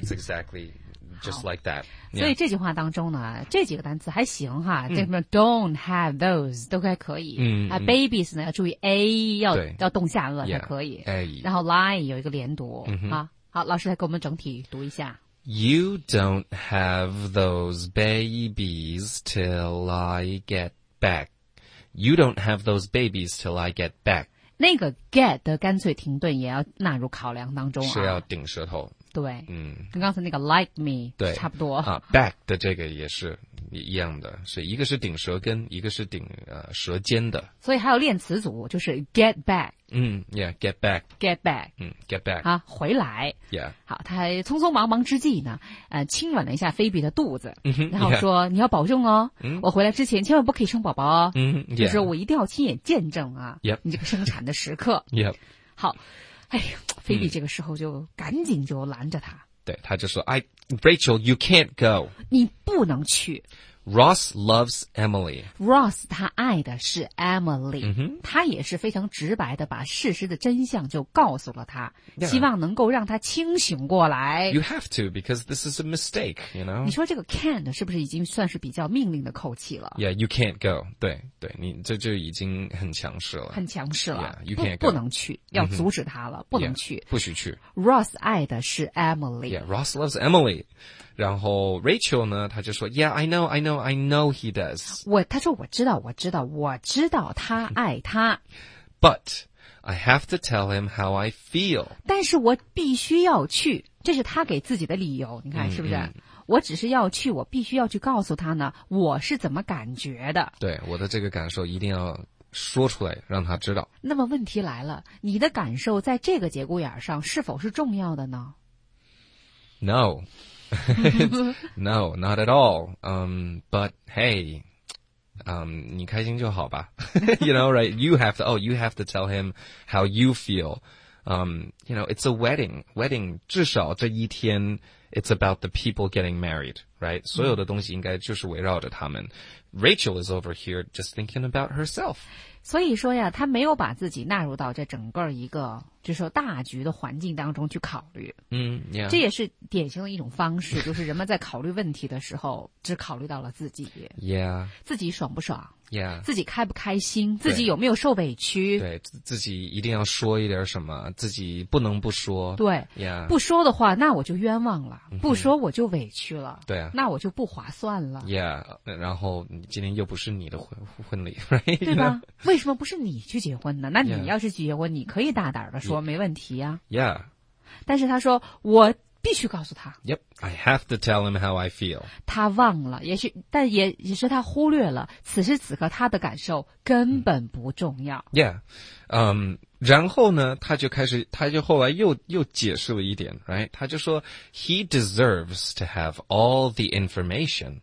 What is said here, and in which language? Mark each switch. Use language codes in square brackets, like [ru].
[en] It's exactly。 Just like that. [zh] 所以这句话当中呢，这几个单词还行哈，这什么 [en] don't have those [zh] 都还可以。嗯啊 ，babies 呢要注意 a 要动下颚才可以。 [en] Yeah, [zh] 然后 lie 有一个连读啊。好，老师再给我们整体读一下。 [en] You don't have those babies till I get back. You don't have those babies till I get back. [zh] 那个 get 的干脆停顿也要纳入考量当中啊，是要顶舌头。对，嗯，跟刚才那个 [en] like me [zh] 对差不多啊 ，back 的这个也是一样的，是一个是顶舌根，一个是顶舌尖的，所以还要练词组，就是 get back， [en] 嗯 ，yeah，get back，get back，嗯 ，get back， [zh] 啊，回来 [en] ，yeah， [zh] 好，他还匆匆忙忙之际呢，亲吻了一下菲比的肚子，然后说、 [en] yeah. [zh] 你要保重哦、嗯，我回来之前千万不可以生宝宝哦，嗯，就是我一定要亲眼见证啊， [en] yep. [zh] 你这个生产的时刻 [en] ，yep， [zh] 好。哎呀，菲比这个时候就赶紧就拦着他。对，他就说 [en] Rachel, you can't go. [zh] 你不能去。 [en] Ross loves Emily. [zh] Ross 他爱的是 Emily.、 [en] Mm-hmm. [zh] 他也是非常直白的把事实的真相就告诉了他、 [en] yeah. [zh] 希望能够让他清醒过来。 [en] You have to, because this is a mistake, you know? [zh] 你说这个 can't 是不是已经算是比较命令的口气了 [en] ?Yeah, you can't go. [zh] 对对你这就已经很强势了。很强势了。 [en] Yeah, you can't go. [zh] 不能去要阻止他了、 [en] mm-hmm. [zh] 不能去。 [en] Yeah, [zh] 不许去。 Ross 爱的是 Emily. [en] Yeah, Ross loves Emily. [zh] 然后 [en] Rachel [zh] 呢他就说 [en] Yeah, I know he does. [zh] 他说我知道他爱他。 [en] But, I have to tell him how I feel. [zh] 但是我必须要去，这是他给自己的理由，你看是不是、嗯、我只是要去，我必须要去告诉他呢我是怎么感觉的。对，我的这个感受一定要说出来让他知道。那么问题来了，你的感受在这个节骨眼上是否是重要的呢？ [en] No. No, not at all. But hey, you [zh] 开心就好吧 [en] You know, right? You have to tell him how you feel. You know, it's a wedding. Wedding, [zh] 至少这一天 [en] it's about the people getting married, right? [zh] 所有的东西应该就是围绕着他们。 [en] Rachel is over here just thinking about herself. [zh] 所以说呀，他没有把自己纳入到这整个一个就是说大局的环境当中去考虑。 [en] 嗯、yeah. [zh] 这也是典型的一种方式，就是人们在考虑问题的时候只考虑到了自己。 [en] Yeah. [zh] 自己爽不爽 [en] ?Yeah. [zh] 自己开不开心，自己有没有受委屈，对，自己一定要说一点什么，自己不能不说。对。 [en] Yeah. [zh] 不说的话那我就冤枉了，不说我就委屈了。对、啊。那我就不划算了。 [en] Yeah. [zh] 然后今天又不是你的婚礼 , [en] right? [zh] 对吧为什么不是你去结婚呢？那你要是去结婚你可以大胆的说没问题啊。 [en] Yeah. [zh] 但是他说我必须告诉他。 [en] Yep, I have to tell him how I feel. [zh] 他忘了，也许但也是他忽略了此时此刻他的感受根本不重要。 [en] Yeah. [zh] 然后呢他就后来又解释了一点 , [en] right? [zh] 他就说 [en] ,he deserves to have all the information.